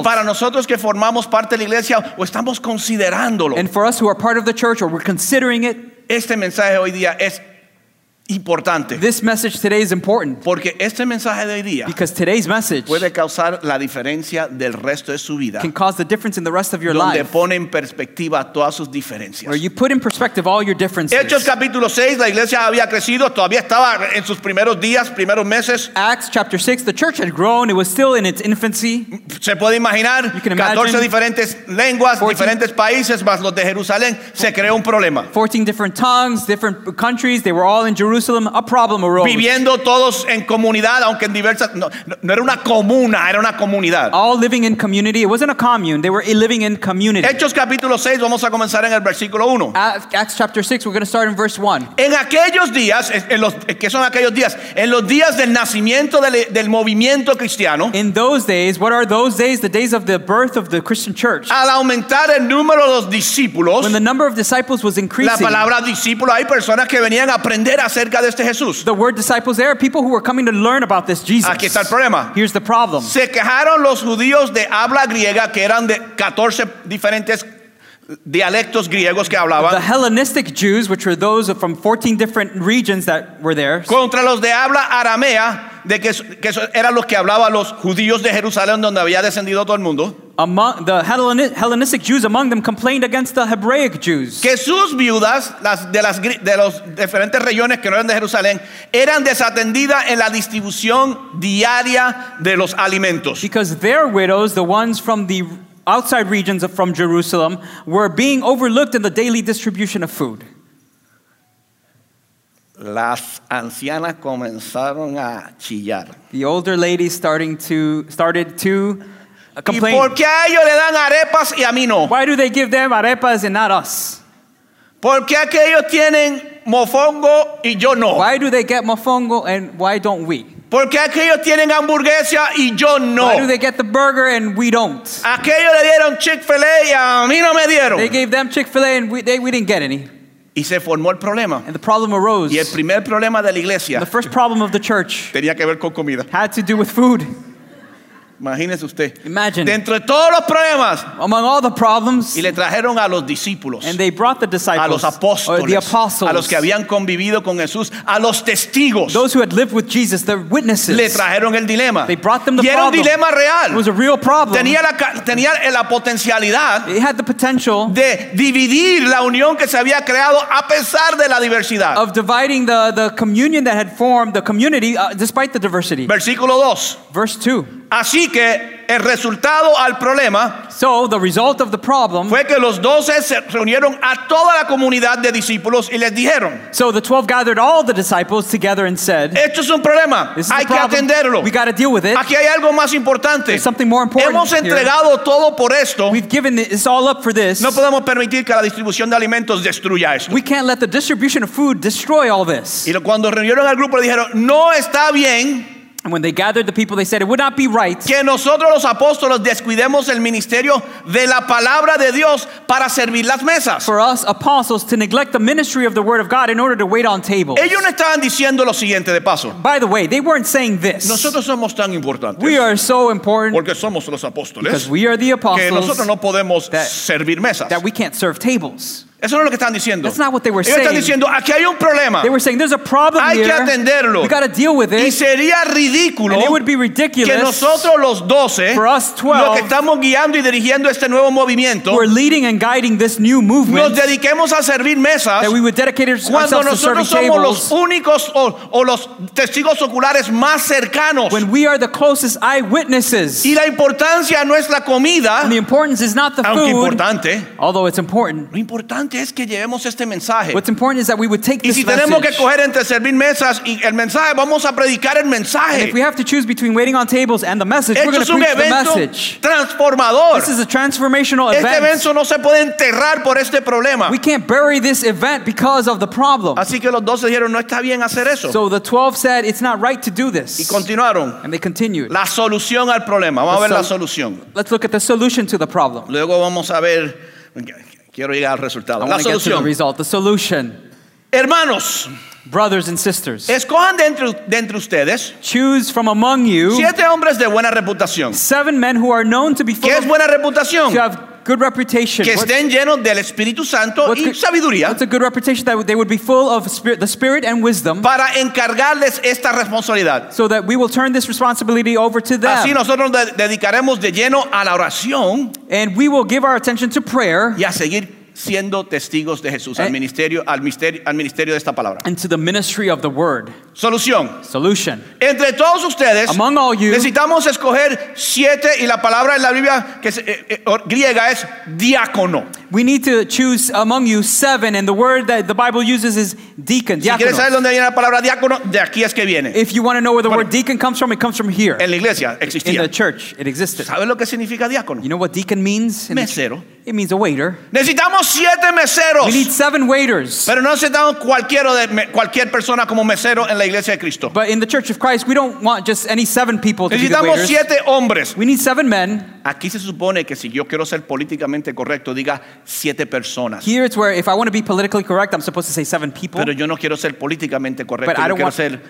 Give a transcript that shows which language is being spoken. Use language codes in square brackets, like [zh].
[es] Y para nosotros que formamos parte de la iglesia o estamos considerándolo. [en] And for us who are part of the church or we're considering it, [es] este mensaje hoy día es importante. [en] This message today is important. [es] Porque este mensaje de hoy día, [en] because today's message, [es] puede causar la diferencia del resto de su vida. [en] Can cause the difference in the rest of your [es] donde [en] life. [es] Donde pone en perspectiva todas sus diferencias. [en] Where you put in perspective all your differences. [es] Hechos capítulo 6, la iglesia había crecido, todavía estaba en sus primeros días, primeros meses. [en] Acts chapter 6, the church had grown, it was still in its infancy. [es] Se puede imaginar, 14 diferentes lenguas, 14, diferentes países, más los de Jerusalén, se creó un problema. [en] 14 different tongues, different countries, they were all in Jerusalem, a problem arose. [es] Viviendo todos en comunidad, aunque en diversas, no era una comuna, era una comunidad. [en] All living in community. It wasn't a commune. They were living in community. [es] Hechos capítulo 6, vamos a comenzar en el versículo 1. Acts chapter 6, we're going to start in verse 1. En aquellos días, ¿qué son aquellos días? En los días del nacimiento del movimiento cristiano. [en] In those days, what are those days? The days of the birth of the Christian church. [es] Al aumentar el número de los discípulos. [en] When the number of disciples was increasing. [es] La palabra discípulo, hay personas que venían a aprender acerca de este Jesús. [en] The word disciples there are people who were coming to learn about this Jesus. [es] Aquí está el problema. [en] Here's the problem. [es] Se quejaron los judíos de habla griega que eran de 14 diferentes dialectos griegos que hablaban. [en] The Hellenistic Jews, which were those from 14 different regions that were there. [es] Contra los de habla aramea, de que eran los que hablaban los judíos de Jerusalén donde había descendido todo el mundo. [en] Among the Hellenistic Jews, among them, complained against the Hebraic Jews. [es] Que sus viudas, las de las de los diferentes regiones que no eran de Jerusalén, eran desatendidas en la distribución diaria de los alimentos. [en] Because their widows, the ones from the outside regions from Jerusalem, were being overlooked in the daily distribution of food. [es] Las ancianas comenzaron a chillar. [en] The older ladies started to complain. [es] ¿Y por qué a ellos le dan arepas y a mí no? [en] Why do they give them arepas and not us? [es] ¿Por qué aquellos tienen mofongo y yo no? [en] Why do they get mofongo and why don't we? [es] ¿Por qué aquellos tienen hamburguesa y yo no? [en] Why do they get the burger and we don't? [es] Aquellos le dieron Chick-fil-A y a mí no me dieron. [en] They gave them Chick-fil-A and we didn't get any. [es] Y se formó el problema. [en] And the problem arose. [es] Y el primer problema de la iglesia. [en] The first problem of the church. [es] Tenía que ver con comida. [en] Had to do with food. [es] Imagínese usted. [en] Imagine. [es] Dentro de todos los problemas. [en] Among all the problems. [es] Y le trajeron a los discípulos. [en] And they brought the disciples. [es] A los apóstoles. [en] Or the apostles. [es] A los que habían convivido con Jesús. A los testigos. [en] Those who had lived with Jesus, the witnesses. [es] Le trajeron el dilema. [en] They brought them the [es] y era [en] problem. [es] Un dilema real. [en] It was a real problem. [es] Tenía la potencialidad. [en] It had the potential. [es] De dividir la unión que se había creado a pesar de la diversidad. [en] Of dividing the communion that had formed, the community, despite the diversity. [es] Versículo 2. [en] Verse 2. [es] Así que el resultado al problema, [en] so the result of the problem, [es] fue que los 12 se reunieron a toda la comunidad de discípulos y les dijeron, [en] so the 12 gathered all the disciples together and said, [es] esto es un problema, hay que atenderlo. [en] We got to deal with it. [es] Aquí hay algo más importante. [en] There's something more important. [es] Hemos entregado [en] here. [es] Todo por esto. [en] We've given this all up for this. [es] No podemos permitir que la distribución de alimentos destruya esto. [en] We can't let the distribution of food destroy all this. [es] Y cuando reunieron al grupo le dijeron, no está bien. [en] And when they gathered the people, they said it would not be right [es] que nosotros los apóstoles descuidemos el ministerio de la palabra de Dios para servir las mesas. [en] For us apostles to neglect the ministry of the word of God in order to wait on tables. [es] Ellos no estaban diciendo lo siguiente de paso. [en] By the way, they weren't saying this. [es] Nosotros somos tan importantes. [en] We are so important [es] porque somos los apóstoles. [en] Because we are the apostles. [es] Que nosotros no podemos servir mesas. [en] That we can't serve tables. [es] Eso no es lo que están diciendo. [en] That's not what they were saying. [es] Están diciendo, aquí hay un problema. [en] They were saying, there's a problem [es] hay [en] here. [es] Que atenderlo. [en] We've got to deal with it. [es] Y sería ridículo [en] and it would be ridiculous [es] que nosotros los 12, [en] for us 12, [es] los que estamos guiando y dirigiendo este nuevo movimiento, [en] who are leading and guiding this new movement, [es] nos dediquemos a servir mesas, [en] that we would dedicate ourselves [es] cuando nosotros [en] to serving [es] somos los únicos o los testigos oculares más cercanos. [en] When we are the closest eyewitnesses. [es] Y la importancia no es la comida, [en] and the importance is not the [es] aunque [en] food, [es] importante, [en] although it's important. [es] Lo importante es que llevemos este mensaje. [en] What's important is that we would take this [es] y si [en] message. [es] Tenemos que coger entre servir mesas y el mensaje, vamos a predicar el mensaje. [en] And if we have to choose between waiting on tables and the message, [es] esto [en] we're going to preach [es] evento [en] the message. [es] Transformador. [en] This is a transformational [es] este [en] event. [es] Evento no se puede enterrar por este problema. [en] We can't bury this event because of the problem. [es] Así que los 12 dijeron, no está bien hacer eso. [en] So the 12 said, it's not right to do this. [es] Y continuaron. [en] And they continued. [es] La solución al problema. Vamos a ver la solución. [en] Let's look at the solution to the problem. [es] Luego vamos a ver... Quiero llegar al resultado. [en] I [es] la solución. [en] The result, the solution. [es] Hermanos, [en] brothers and sisters, [es] escojan de entre ustedes, [en] choose from among you, [es] siete hombres de buena reputación. [en] Seven men who are known to be full [es] ¿qué es buena reputación? [en] To have good reputation. [es] Que estén llenos del Espíritu Santo y sabiduría. [en] What's a good reputation? That they would be full of spirit, the Spirit and wisdom. [es] Para encargarles esta responsabilidad. [en] So that we will turn this responsibility over to them. [es] Así nosotros dedicaremos de lleno a la oración. [en] And we will give our attention to prayer. [es] Y a seguir siendo testigos de Jesús al ministerio, al ministerio de esta palabra. [en] And to the ministry of the word. [es] Solución. [en] Solution. [es] Entre todos ustedes, [en] among all you, [es] necesitamos escoger siete y la palabra en la Biblia que es, griega es diácono. [en] We need to choose among you seven and the word that the Bible uses is deacon. [es] Si quieres saber dónde viene la palabra diácono, de aquí es que viene. [en] If you want to know where the word deacon comes from, it comes from here. [es] En la iglesia existía. [en] In the church it existed. [es] ¿Sabes lo que significa diácono? [en] You know what deacon means? [es] Mesero. [en] It means a waiter. [es] Necesitamos siete meseros. [en] We need seven waiters. [es] Pero no necesitamos cualquier persona como mesero en la iglesia de Cristo. [en] But in the church of Christ, we don't want just any seven people to [es] necesitamos [en] be waiters. [es] Necesitamos siete hombres. [en] We need seven men. [es] Aquí se supone que si yo quiero ser políticamente correcto, diga siete personas. [en] Here it's where if I want to be politically correct, I'm supposed to say seven people. [es] Pero yo no quiero ser políticamente correcto. [en] But